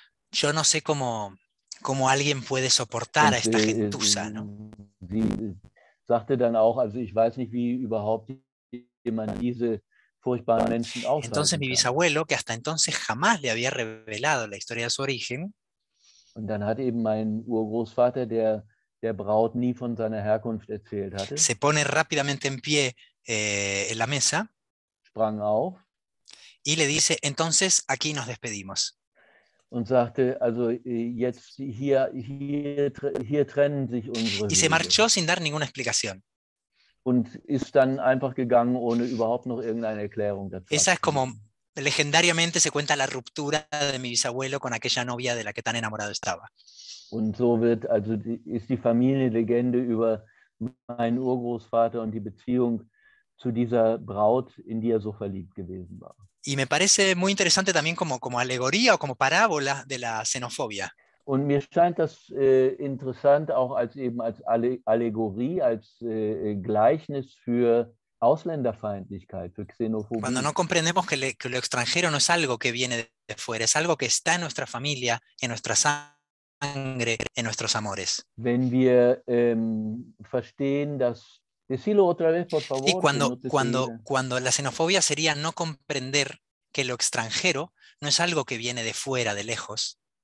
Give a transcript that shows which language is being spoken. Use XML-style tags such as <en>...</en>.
<es>Yo no sé cómo alguien puede soportar a esta gentuza, ¿no?</es> <de>Sie sagte dann auch, also ich weiß nicht, wie überhaupt jemand diese furchtbaren Menschen aushalten.</de> <es>Entonces mi bisabuelo, que hasta entonces jamás le había revelado la historia de su origen,</es> <de>und dann hat eben mein Urgroßvater, der Braut nie von seiner Herkunft erzählt hatte,</de> <es>se pone rápidamente en pie en la mesa,</es> <de>sprang auf,</de> <es>y le dice, entonces aquí nos despedimos.</es> <de>Und sagte, also jetzt hier trennen sich unsere Wege.</de> <es>Y se marchó sin dar ninguna explicación.</es> <de>Und ist dann einfach gegangen, ohne überhaupt noch irgendeine Erklärung dazu.</de> <es>Esa es como legendariamente se cuenta la ruptura de mi bisabuelo con aquella novia de la que tan enamorado estaba.</es> <de>Und so wird, also ist die Familienlegende über meinen Urgroßvater und die Beziehung zu dieser Braut, in die er so verliebt gewesen war.</de> <es>Y me parece muy interesante también como alegoría o como parábola de la xenofobia.</es> <de>Und mir scheint das interessant auch als Allegorie, als Gleichnis für Ausländerfeindlichkeit, für Xenophobie.</de> <es>Cuando no comprendemos que lo extranjero no es algo que viene de fuera, es algo que está en nuestra familia, en nuestra sangre, en nuestros amores.</es> <de>Wenn wir verstehen, dass...</de> <es>Decilo otra vez, por favor. Y cuando la xenofobia sería no comprender que lo extranjero no es algo que viene de fuera, de lejos.</es>